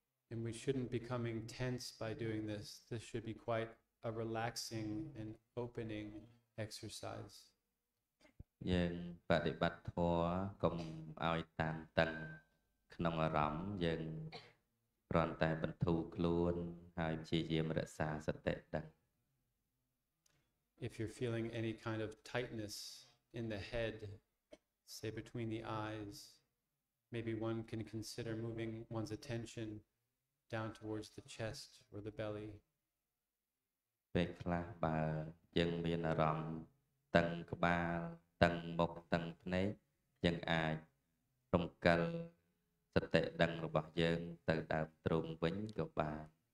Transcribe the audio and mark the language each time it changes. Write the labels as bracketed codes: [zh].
[en] And we shouldn't be becoming tense by doing this. This should be quite a relaxing and opening exercise. [km] យើងបដិបត្តិធម៌កុំឲ្យតានតឹងក្នុងអារម្មណ៍យើងព្រមតែបន្ធូរខ្លួនហើយព្យាយាមរក្សាសតិដឹង. [en] If you're feeling any kind of tightness in the head, say between the eyes, maybe one can consider moving one's attention down towards the chest or the belly. [km] ពេលខ្លះបើយើងមានអារម្មណ៍តឹងក្បាលតឹងមុខតឹងភ្នែកយើងអាចរំកិលសតិដឹងរបស់យើងទៅដើមទ្រូងវិញក៏បាន.